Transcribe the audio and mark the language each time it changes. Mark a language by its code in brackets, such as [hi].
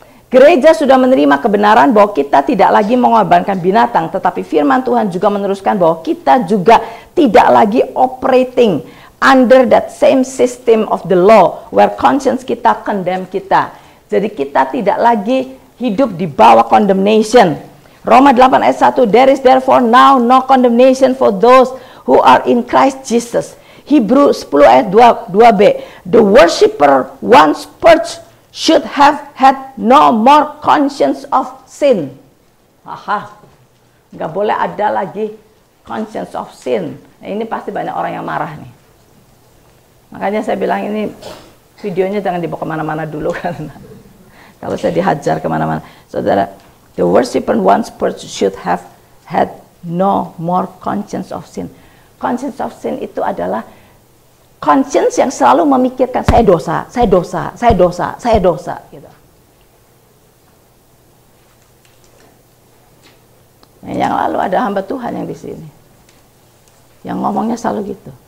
[id] Gereja sudah menerima kebenaran bahwa kita tidak lagi mengorbankan binatang, tetapi firman Tuhan juga meneruskan bahwa kita juga tidak lagi [en] operating under that same system of the law where conscience [id] kita condemn kita. Jadi kita tidak lagi hidup di bawah condemnation. [en] Roma 8 ayat 1, there is therefore now no condemnation for those who are in Christ Jesus. Hebrew 10 ayat 2b, the worshipper once purged should have had no more conscience of sin. [id] Aha, gak boleh ada lagi conscience of sin. Nah, ini pasti banyak orang yang marah nih. Makanya saya bilang ini videonya jangan dibawa kemana-mana dulu karena kalau saya dihajar kemana-mana. [en] Saudara, the worshipper once purged should have had no more conscience of sin. [id] Conscience of sin itu adalah conscience yang selalu memikirkan saya dosa, saya dosa, saya dosa, saya dosa. Gitu. Nah, yang lalu ada hamba Tuhan yang di sini, yang ngomongnya selalu gitu.